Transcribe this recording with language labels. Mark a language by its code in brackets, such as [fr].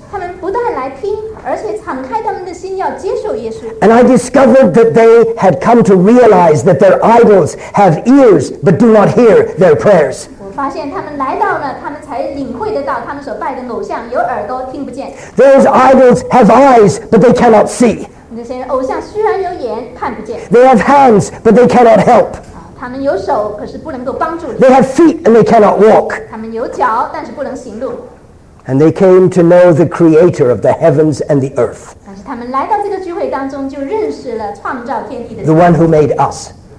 [en] And I discovered that they had come to realize that their idols have ears but do not hear their prayers. Those idols have eyes but they cannot see. They have hands but they cannot help. [zh] 他们有手可是不能够帮助。 [en] They have feet and they cannot walk. [zh] 他们有脚但是不能行路。 [en] And they came to know the creator of the heavens and the earth. The one who made us.